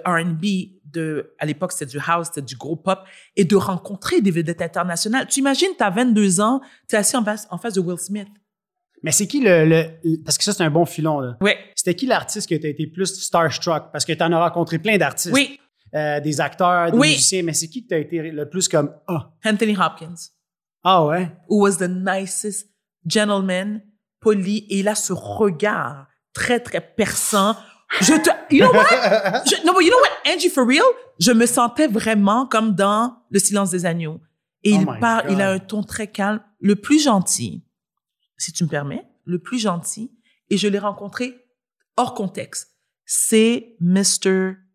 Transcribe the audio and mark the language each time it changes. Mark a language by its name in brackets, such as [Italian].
[French] R&B, à l'époque, c'était du house, c'était du gros pop, et de rencontrer des vedettes internationales. Tu imagines, t'as 22 ans, t'es assis en face de Will Smith. Mais c'est qui le... Parce que ça, c'est un bon filon, là. Oui. C'était qui l'artiste que t'as été plus starstruck? Parce que t'en as rencontré plein d'artistes. Oui. Des acteurs, des oui. musiciens. Mais c'est qui que t'as été le plus comme... Oh. Anthony Hopkins. Ah ouais? [English] Who was the nicest gentleman, [French] poli, et il a ce regard... très, très perçant. Je te... [English] You know what? You know what, Angie, for real? [French] Je me sentais vraiment comme dans Le silence des agneaux. Et oh il parle, [English] God. [French] Il a un ton très calme. Le plus gentil, si tu me permets, le plus gentil. Et je l'ai rencontré hors contexte, c'est Mr.